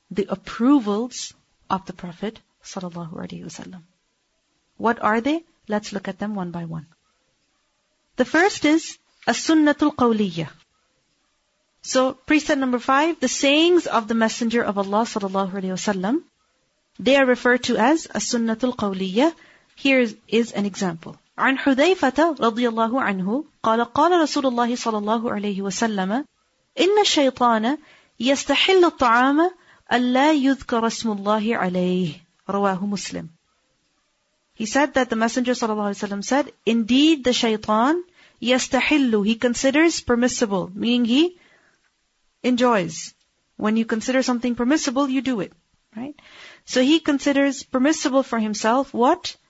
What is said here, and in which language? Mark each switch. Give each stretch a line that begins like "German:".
English: The approvals of the Prophet ﷺ. What are they? Let's look at them one by one. The first is as-sunnatul qawliyyah. So, precept number 5, the sayings of the Messenger of Allah sallallahu alaihi wasallam, they are referred to as as-sunnatul qawliyyah. Here is an example.
Arabic: عن حذيفة رضي الله عنه قال قال رسول الله صلى الله عليه وسلم إن الشيطان يستحل الطعام ألا يذكر اسم الله عليه رواه مسلم.
English: He said that the Messenger ﷺ said, indeed the shaitan, yastahillu, he considers permissible, meaning he enjoys. When you consider something permissible, you do it, right? So he considers permissible for himself what?